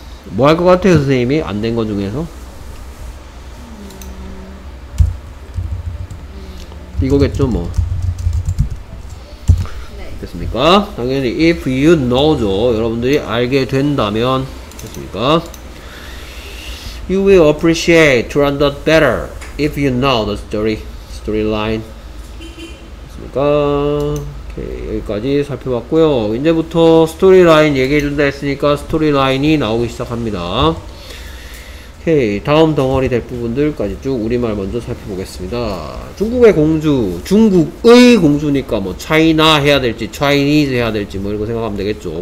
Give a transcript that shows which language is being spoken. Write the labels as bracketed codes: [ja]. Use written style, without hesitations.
[ko] 뭐 할 것 같아요 선생님이? 안 된 것 중에서? 이거겠죠 뭐. 됐습니까? 당연히 [en] if you know [ko] 죠. 여러분들이 알게 된다면 됐습니까? [en] You will appreciate Turandot better if you know the story, storyline. [ko] 됐습니까? 오케이, 여기까지 살펴봤고요. 이제부터 스토리라인 얘기해준다 했으니까 스토리라인이 나오기 시작합니다. 오케이, 다음 덩어리 될 부분들까지 쭉 우리말 먼저 살펴보겠습니다. 중국의 공주, 중국의 공주니까 뭐 차이나 해야 될지 차이니즈 해야 될지 뭐 이런 거 생각하면 되겠죠.